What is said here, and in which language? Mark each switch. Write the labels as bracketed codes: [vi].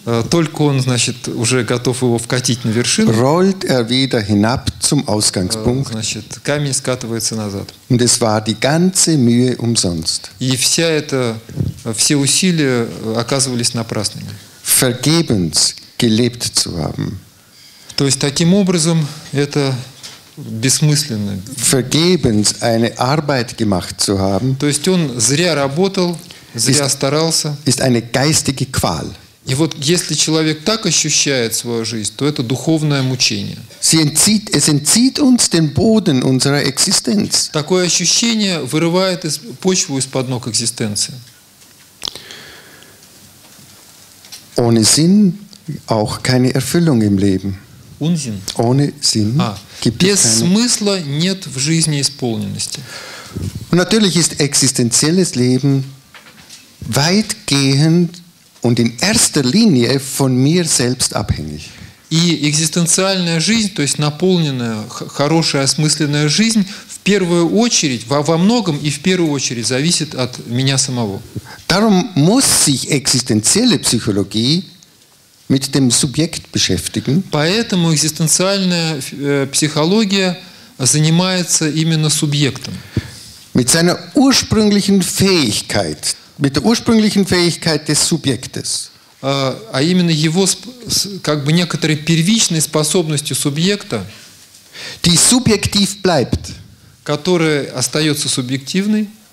[ru] Только он, значит, уже готов его вкатить на вершину. [de] Rollt er wieder hinab zum Ausgangspunkt. [ru] Значит, камень скатывается назад. [de] Und es war die ganze Mühe umsonst. [ru] И вся это, все усилия оказывались напрасными. [de] Vergebens gelebt zu haben. [ru] То есть таким образом это бессмысленно. [de] Vergebens eine Arbeit gemacht zu haben. [ru] То есть он зря работал, зря старался. [de] Ist eine geistige Qual. [ru] И вот если человек так ощущает свою жизнь, то это духовное мучение. [de] Es entzieht uns den Boden unserer Existenz. [ru] Такое ощущение вырывает почву из-под ног экзистенции. [de] Ohne Sinn auch keine Erfüllung im Leben. Unsinn. Ohne Sinn gibt es keine... [ru] Без смысла нет в жизни исполненности. [de] Und natürlich ist existenzielles Leben weitgehend und in erster Linie von mir selbst abhängig. [ru] И экзистенциальная жизнь, то есть наполненная, хорошая, осмысленная жизнь, в первую очередь, во многом и в первую очередь, зависит от меня самого. [de] Darum muss sich existenzielle Psychologie mit dem Subjekt beschäftigen. [ru] Поэтому экзистенциальная психология занимается именно субъектом. [de] Mit seiner ursprünglichen Fähigkeit, mit der ursprünglichen Fähigkeit des Subjektes. [ru] А именно его, как бы, некоторой первичной способностью субъекта, [de] die subjektiv bleibt, [ru] которая остается субъективной,